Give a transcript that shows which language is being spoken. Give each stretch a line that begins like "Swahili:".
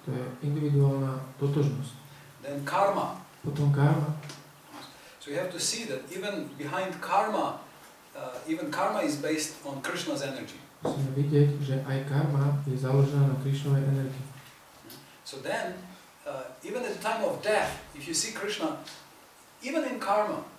Slovak: To je individuálna totožnosť.
English: Then karma.
Slovak: Potom karma.
English: So you have to see that even behind karma, even karma is based on Krishna's energy.
Slovak: Musíme vidieť, že aj karma je založená na Krišnovej energii.
English: So then, even at the time of death, if you see Krishna, even in karma,